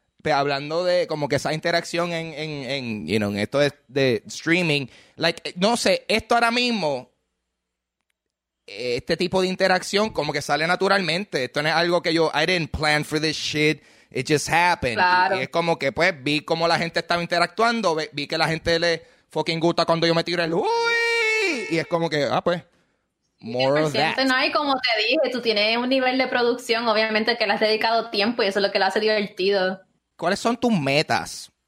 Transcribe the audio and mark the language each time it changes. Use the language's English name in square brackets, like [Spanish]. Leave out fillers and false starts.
[Spanish] hablando de como que esa interacción en [English] you know, [Spanish] esto de streaming, like, no sé, esto ahora mismo este tipo de interacción como que sale naturalmente. Esto no es algo que yo, [English] I didn't plan for this shit, it just happened. [Spanish] Claro. Y es como que pues vi cómo la gente estaba interactuando, vi que la gente le fucking gusta cuando yo me tiro el uy, y es como que, ah, pues, [English] more of that. [Spanish] No hay, como te dije, tú tienes un nivel de producción, obviamente, que le has dedicado tiempo y eso es lo que lo hace divertido. ¿Cuáles son tus metas?